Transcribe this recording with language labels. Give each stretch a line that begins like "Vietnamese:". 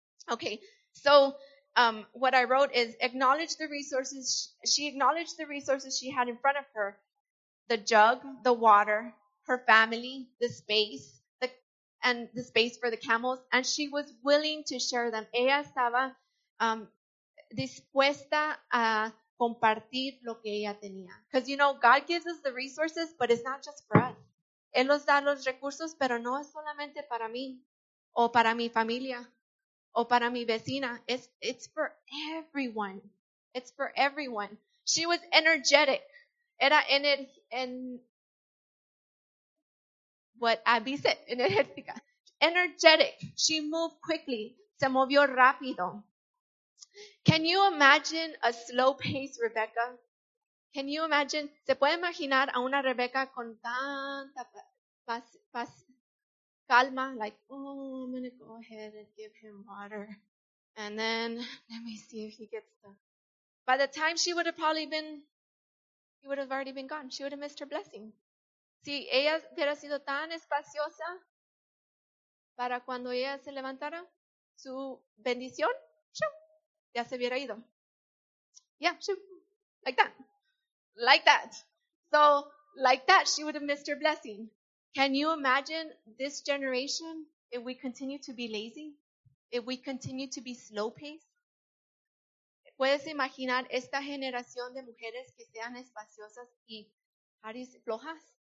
English: Okay, so what I wrote is acknowledge the resources. She acknowledged the resources she had in front of her, the jug, the water, her family, the space for the camels, and she was willing to share them.
Spanish: Ella estaba dispuesta a compartir lo que ella tenía.
English: Because, you know, God gives us the resources, but it's not just for us.
Spanish: Él nos da los recursos, pero no es solamente para mí, o para mi familia, o para mi vecina.
English: It's for everyone. It's for everyone. She was energetic.
Spanish: Era energética.
English: energetic. She moved quickly.
Spanish: Se movió rápido.
English: Can you imagine a slow-paced Rebecca? Can you imagine?
Spanish: ¿Se puede imaginar a una Rebecca con tanta calma?
English: Like, oh, I'm going to go ahead and give him water. And then, let me see if he gets the... By the time she would have probably been... He would have already been gone. She would have missed her blessing.
Spanish: Si ella hubiera sido tan espaciosa para cuando ella se levantara, su bendición, shoo, ya se hubiera ido.
English: Yeah, shoo, like that. Like that. So, like that, she would have missed her blessing. Can you imagine this generation if we continue to be lazy? If we continue to be slow-paced?
Spanish: ¿Puedes imaginar esta generación de mujeres que sean espaciosas y aries flojas?